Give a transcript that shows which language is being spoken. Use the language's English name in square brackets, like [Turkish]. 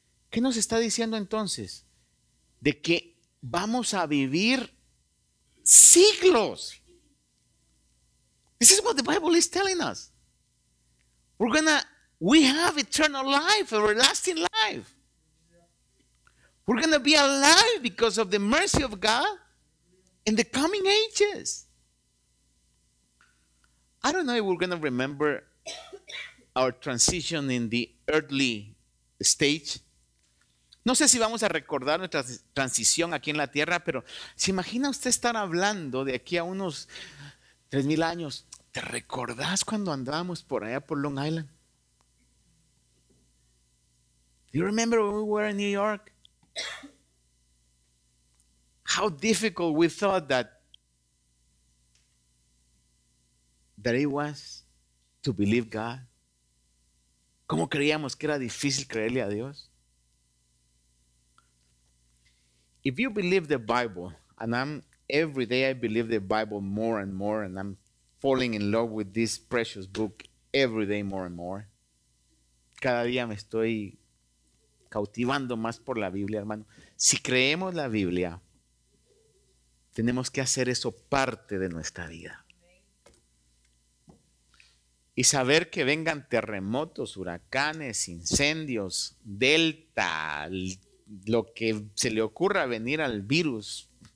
[Spanish] ¿Qué nos está diciendo entonces? De que vamos a vivir siglos. [English] This is what the Bible is telling us. We have eternal life, everlasting life. We're going to be alive because of the mercy of God in the coming ages. I don't know if we're going to remember our transition in the earthly stage. [Spanish] No sé si vamos a recordar nuestra transición aquí en la tierra, pero ¿se imagina usted estar hablando de aquí a unos 3,000 años? ¿Te recordás cuando andábamos por allá por Long Island? [English] Do you remember when we were in New York? How difficult we thought that it was to believe God. [Spanish] ¿Cómo creíamos que era difícil creerle a Dios? [English] If you believe the Bible, and I'm every day I believe the Bible more and more, and I'm falling in love with this precious book every day more and more. [Spanish] Cada día me estoy cautivando más por la Biblia, hermano. Si creemos la Biblia, tenemos que hacer eso parte de nuestra vida. Y saber que vengan terremotos, huracanes, incendios, delta, lo que se le ocurra venir al virus.